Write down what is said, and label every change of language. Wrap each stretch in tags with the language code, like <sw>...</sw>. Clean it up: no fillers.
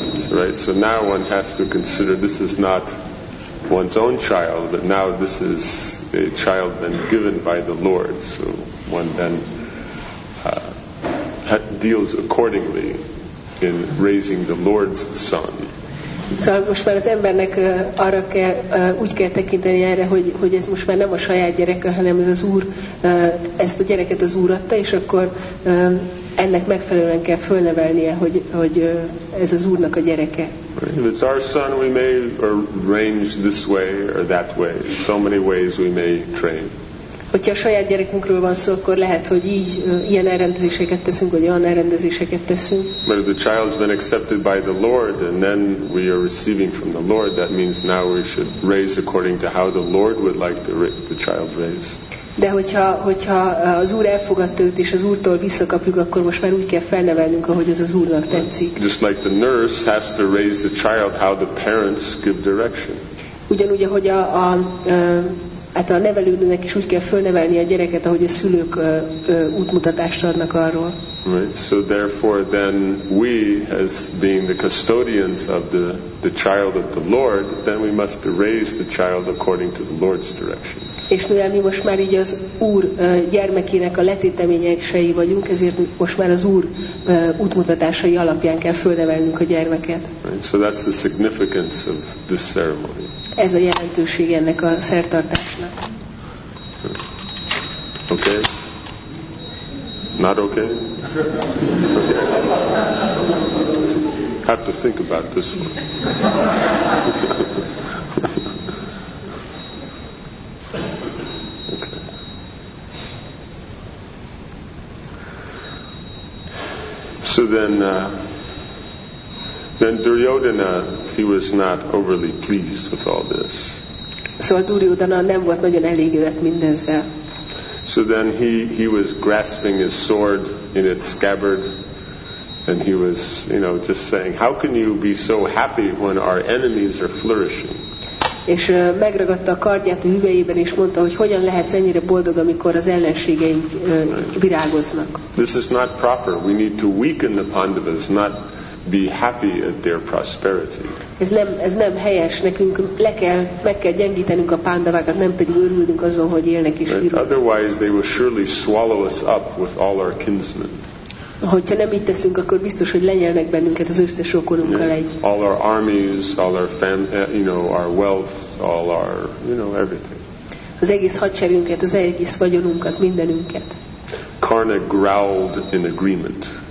<en>Right, so now one has to consider this is not one's own child, but now this is a child then given by the Lord. So one then deals accordingly in raising the Lord's son.</en> <hu>Szóval most már az embernek arra kell, úgy kell tekinteni erre, hogy ez most már nem a saját gyereke, hanem ez az Úr, ezt a gyereket az Úr adta, és akkor ennek megfelelően kell fölnevelnie, hogy ez az Úrnak a gyereke.</hu> <en>If it's our son, we may arrange this way or that way. So many ways we may train.</en> <hu>Hogyha a saját gyerekünkről van szó, akkor lehet, hogy így ilyen elrendezéseket teszünk, vagy olyan elrendezéseket teszünk.</hu> <en>But if the child's been accepted by the Lord, and then we are receiving from the Lord, that means now we should raise according to how the Lord would like the child raised.</en> <hu>De hogyha az Úr elfogadta őt, és az Úrtól visszakapjuk, akkor most már úgy kell felnevelnünk, ahogy az Úrnak tetszik.</hu> <en>Just like the nurse has to raise the child how the parents give direction.</en> <hu>Ugyanúgy, ahogy a nevelőnek is úgy kell fölnevelni a gyereket, ahogy a szülők útmutatást adnak arról.</hu> <en>Right. So therefore then we, as being the custodians of the child of the Lord, then we must raise the child according to the Lord's direction.</en> <hu>És mivel mi most már így az Úr gyermekének a letéteményesei vagyunk, ezért most már az Úr útmutatásai alapján kell fölnevelnünk a gyermeket.</hu> <en>Right. So that's the significance of this ceremony.</en> <hu>Ez a jelentőség ennek a szertartásnak.</hu> <en>Okay. Not okay? Okay. Have to think about this one. So then Duryodhana, he was not overly pleased with all this.</en> <hu>So Duryodhana nem volt nagyon elégedett mindezzel.</hu> <en>So then he was grasping his sword in its scabbard, and he was, you know, just saying, how can you be so happy when our enemies are flourishing?</en> <hu>És megragadta a kardját a hüvelyében, és mondta, hogy hogyan lehetsz ennyire boldog, amikor az ellenségeink virágoznak.</hu> <en>This is not proper. We need to weaken the Pandavas, not be happy at their prosperity.</en> <hu>Ez nem helyes. Nekünk meg kell gyengítenünk a Pandavákat, nem pedig örülnünk azon, hogy élnek és virulnak.</hu> <en>Otherwise they will surely swallow us up with all our kinsmen.</en> <hu>Hogyha nem így teszünk, akkor biztos, hogy lenyelnek bennünket az összes rokonunkkal egy.</hu> <en>All our armies, all our our wealth, all our, you know, everything.</en> <hu>Az egész hadseregünket, az egész vagyonunk, az mindenünket.</hu> <en>Karna growled in agreement.</en>